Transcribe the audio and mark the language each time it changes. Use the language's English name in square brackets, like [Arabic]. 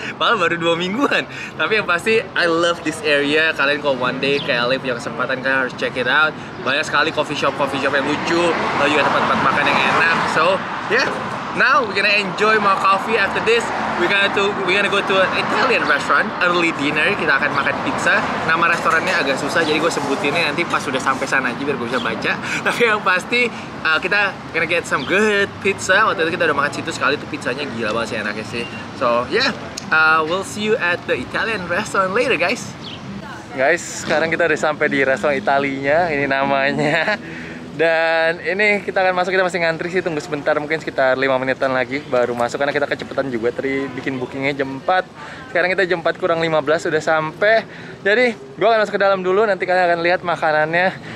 [Indonesian] Malah baru 2 mingguan. Tapi yang pasti, [English] I love this area. [Indonesian] Kalian kalau [English] one day [Indonesian] ke LA punya kesempatan, kalian harus [English] check it out. [Indonesian] Banyak sekali coffee shop yang lucu. Lalu juga tempat-tempat makan yang enak. [English] So, yeah. Now, we're gonna enjoy my coffee after this. We're gonna go to an Italian restaurant, early dinner. [Indonesian] Kita akan makan pizza. Nama restorannya agak susah, jadi gue sebutinnya nanti pas sudah sampai sana aja biar gue bisa baca. Tapi yang pasti, kita [English] gonna get some good pizza. [Indonesian] Waktu itu kita udah makan situ sekali, tuh pizzanya gila banget sih, enaknya sih. [English] So, yeah, we'll see you at the Italian restaurant later, guys. [Indonesian] Guys, sekarang kita udah sampai di restoran Italinya, ini namanya. Dan ini kita akan masuk, kita masih ngantri sih, tunggu sebentar, mungkin sekitar 5 menitan lagi baru masuk karena kita kecepatan juga tadi bikin bookingnya jam 4. Sekarang kita jam 4 kurang 15 sudah sampai. Jadi gua akan masuk ke dalam dulu, nanti kalian akan lihat makanannya.